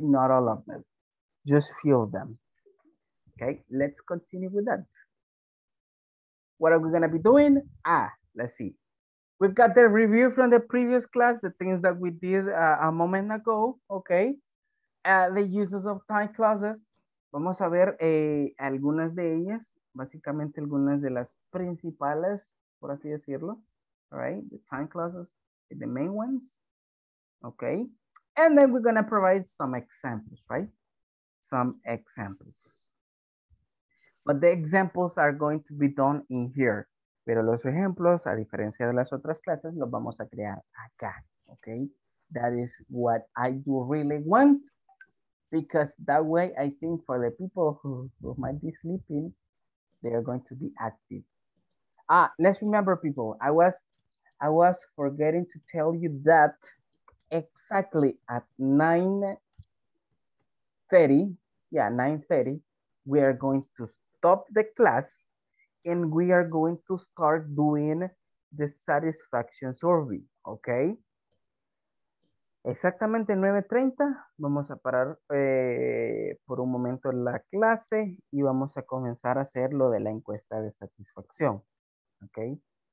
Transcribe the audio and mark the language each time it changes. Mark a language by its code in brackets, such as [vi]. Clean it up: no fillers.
[en] Not all of them, just few of them. Okay, let's continue with that. What are we going to be doing? Ah, let's see. We've got the review from the previous class, the things that we did a moment ago, okay? The uses of time clauses. [es] Vamos a ver algunas de ellas, básicamente algunas de las principales, por así decirlo, all right? [en] The time clauses, the main ones, okay? And then we're going to provide some examples, right? Some examples. But the examples are going to be done in here. [es] Pero los ejemplos, a diferencia de las otras clases, los vamos a crear acá, okay? [en] That is what I do really want, because that way I think for the people who might be sleeping, they are going to be active. Ah, let's remember, people, I was forgetting to tell you that exactly at 9:30, yeah, 9:30, we are going to stop the class and we are going to start doing the satisfaction survey, okay? [es] Exactamente 9:30, vamos a parar por un momento la clase y vamos a comenzar a hacer lo de la encuesta de satisfacción, okay?